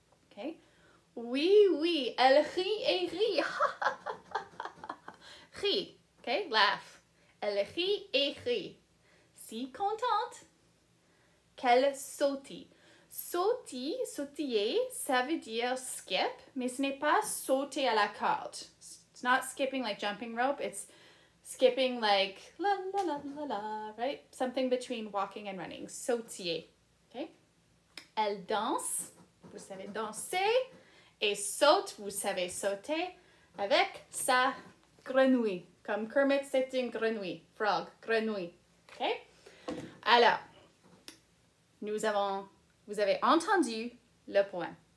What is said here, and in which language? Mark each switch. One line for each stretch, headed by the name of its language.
French: Okay? Oui, oui, elle rit et rit. Rit, okay? Laugh. Elle rit et rit. Si contente qu'elle saute. Sautiller, ça veut dire skip, mais ce n'est pas sauter à la corde.
English: It's not skipping like jumping rope, it's skipping like la la la la la, right? Something between walking and running. Sautiller, okay?
French: Elle danse, vous savez danser, et saute, vous savez sauter, avec sa grenouille. Comme Kermit, c'est une grenouille. Frog, grenouille, okay? Alors, vous avez entendu le poème.